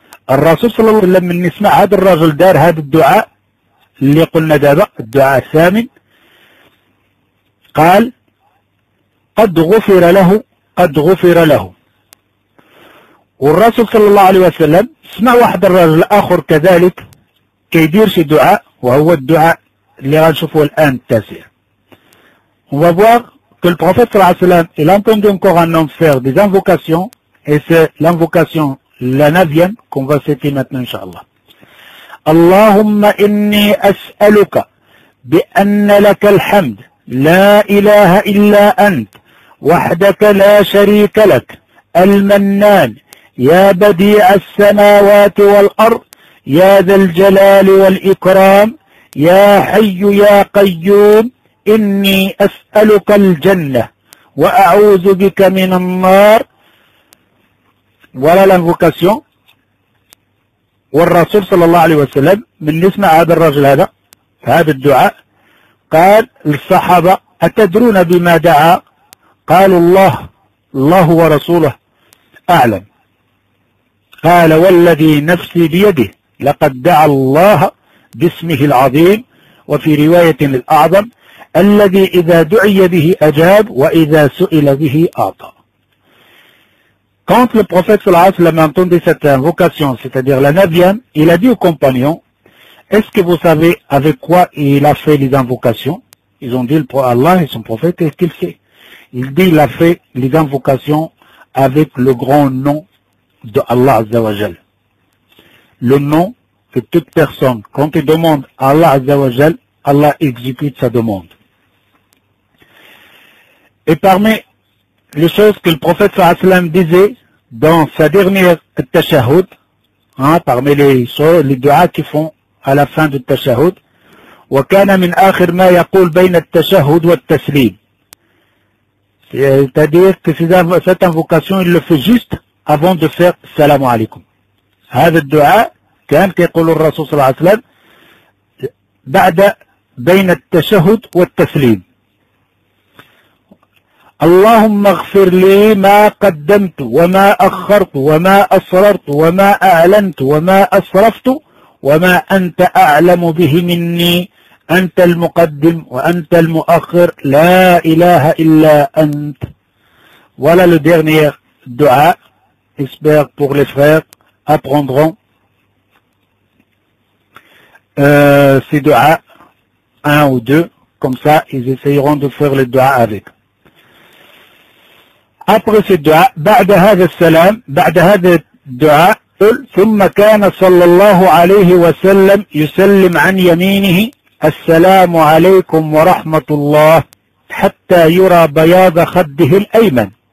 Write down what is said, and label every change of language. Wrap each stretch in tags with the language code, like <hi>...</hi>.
<ar>الرسول صلى الله عليه وسلم من يسمع هذا الرجل دار هذا الدعاء اللي قلنا دابا الدعاء الثامن، قال قد غفر له قد غفر له. والرسول صلى الله عليه وسلم سمع واحد الرجل اخر كذلك كيدير شي دعاء، وهو الدعاء اللي غنشوفه الان التاسع.</ar> <fr>On va voir que le prophète</fr> <ar>صلى الله عليه وسلم</ar> <fr>il a entendu encore un homme faire des invocations et c'est l'invocation la neuvième qu'on va citer maintenant inshallah.</fr> <ar>اللهم إني أسألك بأن لك الحمد لا إله إلا أنت وحدك لا شريك لك المنان يا بديع السماوات والأرض يا ذا الجلال والإكرام يا حي يا قيوم إني أسألك الجنة وأعوذ بك من النار. ولا الانفوكاسيون. والرسول صلى الله عليه وسلم من يسمع هذا الرجل هذا هذا الدعاء قال للصحابة أتدرون بما دعا؟ قالوا الله الله ورسوله أعلم. قال والذي نفسي بيده لقد دعا الله باسمه العظيم، وفي رواية الأعظم الذي إذا دعي به أجاب وإذا سئل به أعطى.</ar> <fr>Quand le prophète sallallahu alayhi wa sallam a entendu cette invocation, c'est-à-dire la neuvième, il a dit aux compagnons, est-ce que vous savez avec quoi il a fait les invocations? Ils ont dit, Allah et son prophète, qu'est-ce qu'il fait? Il dit, il a fait les invocations avec le grand nom de Allah Azza wa Jal. Le nom que toute personne, quand il demande à Allah Azza wa Jal, Allah exécute sa demande. Et parmi les choses que le prophète sallallahu alayhi wa sallam disait dans sa dernière tashahhud, hein, parmi les duas qu'ils font à la fin du tashahhud,</fr> <ar>wa kana min akhir ma yaqul bayna at-tashahhud wa at-taslim.</ar> <fr>C'est-à-dire que cette invocation, il le fait juste avant de faire salam alaykum.</fr> <ar>هذا الدعاء كان كيقول الرسول صلى الله عليه وسلم بعد بين التشهد والتسليم. اللهم اغفر لي ما قدمت وما أخرت وما أسررت وما أعلنت وما أسرفت وما أنت أعلم به مني أنت المقدم وأنت المؤخر لا إله إلا أنت.</ar> <fr>ولا le dernier دعاء j'espère pour les frères apprendront ces دعاء 1 ou 2 comme ça ils essayeront de faire le دعاء avec. Après ce</fr> <ar>دعاء بعد هذا السلام بعد هذا الدعاء ثم كان صلى الله عليه وسلم يسلم عن يمينه السلام عليكم ورحمة الله حتى يرى بياض خده الأيمن،</ar>